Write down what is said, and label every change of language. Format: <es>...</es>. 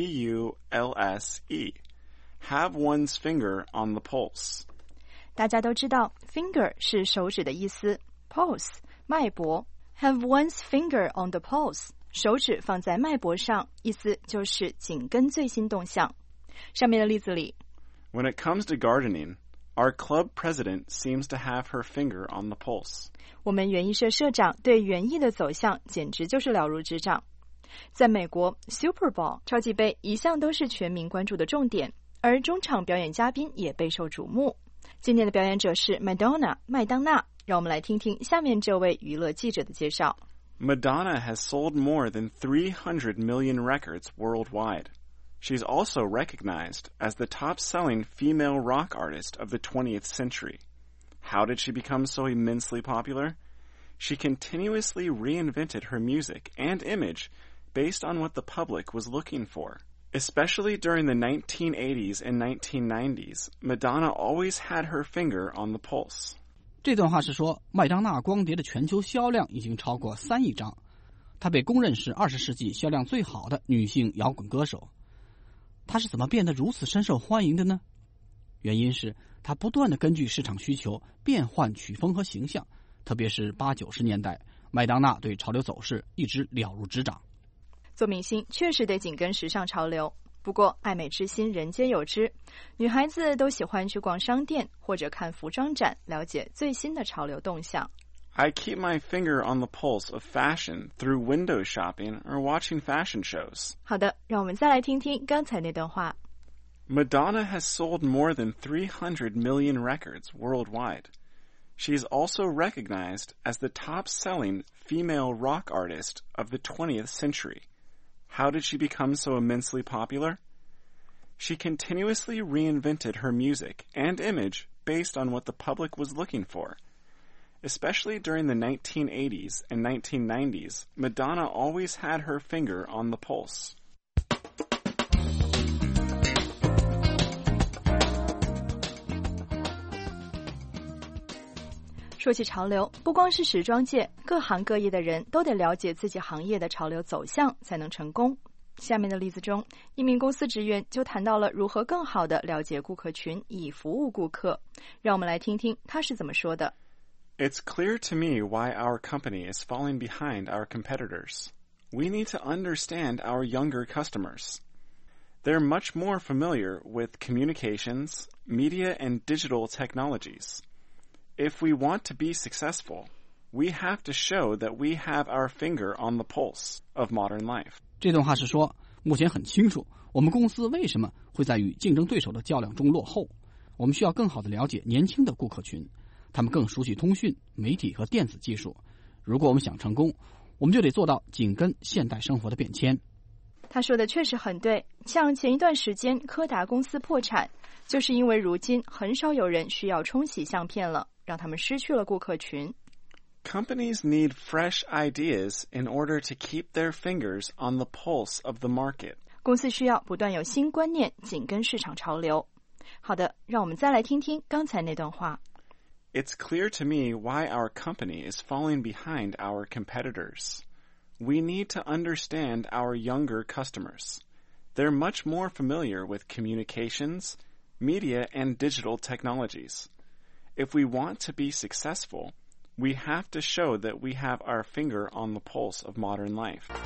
<en>P-U-L-S-E. Have one's finger on the pulse.</en> <zh>大家都知道 finger 是手指的意思 pulse, 脉搏</zh> <en>Have one's finger on the pulse.</en> <zh>手指放在脉搏上，意思就是紧跟最新动向。上面的例子里 When it comes to gardening, our club president seems to have her finger on the pulse. 我们园艺社社长对园艺的走向简直就是了如指掌。在美国 ,Super Bowl, 超级杯一向都是全民关注的重点，而中场表演嘉宾也备受瞩目。今年的表演者是 Madonna, 麦当娜。让我们来听听下面这位娱乐记者的介绍。</zh> <en>Madonna has sold more than 300 million records worldwide. She's also recognized as the top-selling female rock artist of the 20th century. How did she become so immensely popular? She continuously reinvented her music and image based on what the public was looking for. Especially during the 1980s and 1990s, Madonna always had her finger on the pulse.</en> <zh>这段话是说，麦当娜光碟的全球销量已经超过3亿张。她被公认是20世纪销量最好的女性摇滚歌手。她是怎么变得如此深受欢迎的呢？原因是她不断地根据市场需求变换曲风和形象，特别是80-90年代，麦当娜对潮流走势一直了如指掌。做明星确实得紧跟时尚潮流，不过爱美之心人皆有之，女孩子都喜欢去逛商店或者看服装展，了解最新的潮流动向。</zh> <en>I keep my finger on the pulse of fashion through window shopping or watching fashion shows.</en> <zh>好的，让我们再来听听刚才那段话。</zh> <en>Madonna has sold more than 300 million records worldwide. She is also recognized as the top-selling female rock artist of the 20th century. How did she become so immensely popular? She continuously reinvented her music and image based on what the public was looking for. Especially during the 1980s and 1990s, Madonna always had her finger on the pulse.</en> <zh>说起潮流，不光是时装界，各行各业的人都得了解自己行业的潮流走向才能成功。下面的例子中，一名公司职员就谈到了如何更好地了解顾客群以服务顾客。让我们来听听他是怎么说的。</zh> <en>It's clear to me why our company is falling behind our competitors. We need to understand our younger customers. They're much more familiar with communications, media, and digital technologies. If we want to be successful, we have to show that we have our finger on the pulse of modern life.</en> <zh>这段话是说，目前很清楚，我们公司为什么会在与竞争对手的较量中落后。我们需要更好地了解年轻的顾客群。他们更熟悉通讯、媒体和电子技术。如果我们想成功，我们就得做到紧跟现代生活的变迁。他说的确实很对，像前一段时间柯达公司破产，就是因为如今很少有人需要冲洗相片了，让他们失去了顾客群。</zh> <en>Companies need fresh ideas in order to keep their fingers on the pulse of the market.</en> <zh>公司需要不断有新观念，紧跟市场潮流。好的，让我们再来听听刚才那段话。</zh> <en>It's clear to me why our company is falling behind our competitors. We need to understand our younger customers. They're much more familiar with communications, media, and digital technologies. If we want to be successful, we have to show that we have our finger on the pulse of modern life.</en>